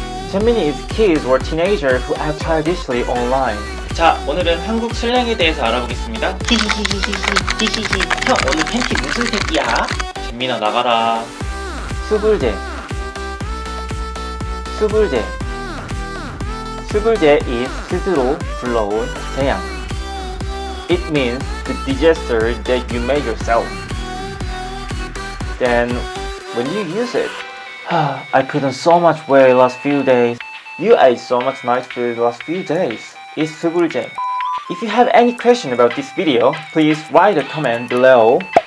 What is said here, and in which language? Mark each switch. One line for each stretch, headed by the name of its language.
English: 잼미니 is kids or teenagers who act childishly online.
Korean: 자, 오늘은 한국 슬랭에 대해서 알아보겠습니다. 히히히히히히히히. 형, 오늘 팬티 무슨 색이야? 진민아, 나가라. 수불제 수불제. 수불제 is 스스로 불러온 재앙.
English: It means the disaster that you made yourself. Then, when do you use it? I couldn't so much weigh last few days. You ate so much nice food last few days. It's 수불제. If you have any question about this video, please write a comment below.